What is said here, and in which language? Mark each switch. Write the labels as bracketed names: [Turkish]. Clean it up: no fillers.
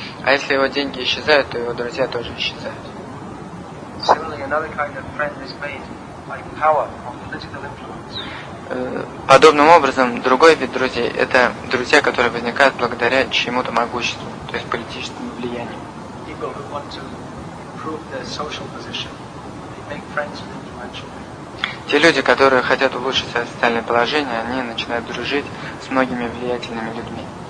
[Russian] А если его деньги исчезают, то его друзья тоже исчезают. [English] Similarly, another kind of friend is made by power or political influence. [Russian] Подобным образом, другой вид друзей – это друзья, которые возникают благодаря чему-то могуществу, то есть политическому влиянию. [English] People who want to improve their social position. Make friends with influential. [Russian] Те люди, которые хотят улучшить свое социальное положение, они начинают дружить с многими влиятельными людьми.